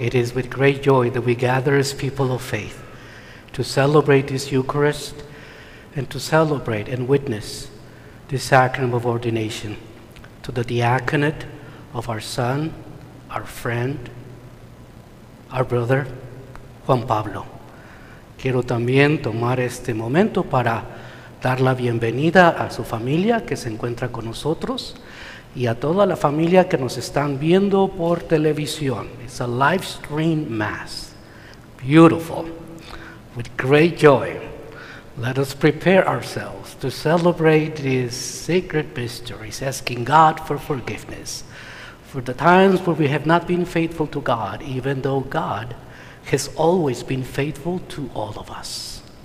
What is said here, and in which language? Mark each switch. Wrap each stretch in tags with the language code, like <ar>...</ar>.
<en>It is with great joy that we gather as people of faith to celebrate this Eucharist and to celebrate and witness this sacrament of ordination to the diaconate of our son, our friend, our brother, Juan Pablo.</en> <es>Quiero también tomar este momento para dar la bienvenida a su familia que se encuentra con nosotros y a toda la familia que nos están viendo por televisión.</es> <en>It's a live stream mass. Beautiful. With great joy, Let us prepare ourselves to celebrate these sacred mysteries, asking God for forgiveness for the times where we have not been faithful to God, even though God has always been faithful to all of us.</en>